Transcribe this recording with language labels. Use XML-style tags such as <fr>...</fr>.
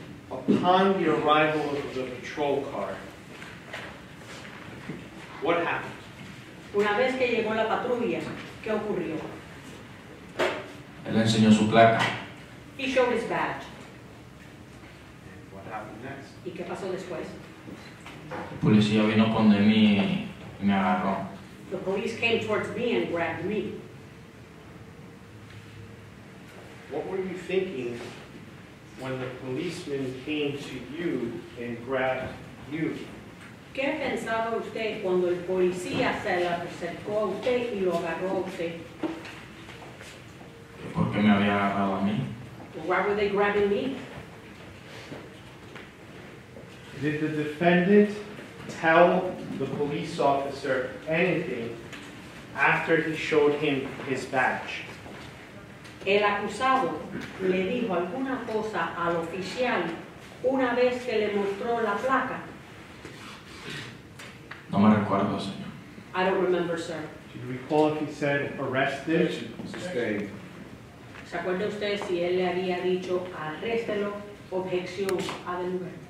<en>Upon the arrival of the patrol car, what happened?</en> <es>Una vez que llegó la patrulla, ¿qué ocurrió? Él enseñó su placa.</es> <en>He showed his badge. And what happened next?</en> <es>¿Y qué pasó después? El policía vino con de mí y me agarró.</es> <en>The police came towards me and grabbed me. What were you thinking when the policeman came to you and grabbed you?</en> <es>¿Qué pensaba usted cuando el policía se le acercó a usted y lo agarró a usted? ¿Por qué me había agarrado a mí?</es> <en>Why were they grabbing me? Did the defendant tell the police officer anything after he showed him his badge?</en> <es>El acusado le dijo alguna cosa al oficial una vez que le mostró la placa. No me recuerdo, señor.</es> <en>I don't remember, sir. Do you recall if he said arrested or sustained?</en> <es>¿Se acuerda usted si él le había dicho arréstelo, objeción, a del lugar?</es>